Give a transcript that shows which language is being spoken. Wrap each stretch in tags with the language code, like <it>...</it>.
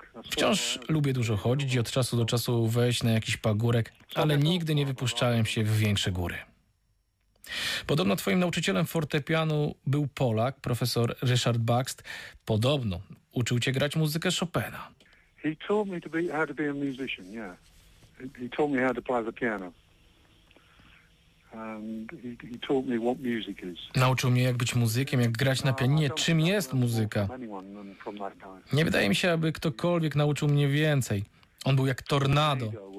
<pl>Wciąż lubię dużo chodzić i od czasu do czasu wejść na jakiś pagórek, ale nigdy nie wypuszczałem się w większe góry. Podobno twoim nauczycielem fortepianu był Polak, profesor Ryszard Bakst. Podobno uczył cię grać muzykę Chopina.</pl> <en>He taught me how to be a musician, yeah. He taught me how to play the piano. And he taught me what music is.</en> <pl>Nauczył mnie, jak być muzykiem, jak grać na pianinie, czym jest muzyka. Nie wydaje mi się, aby ktokolwiek nauczył mnie więcej. On był jak tornado.</pl>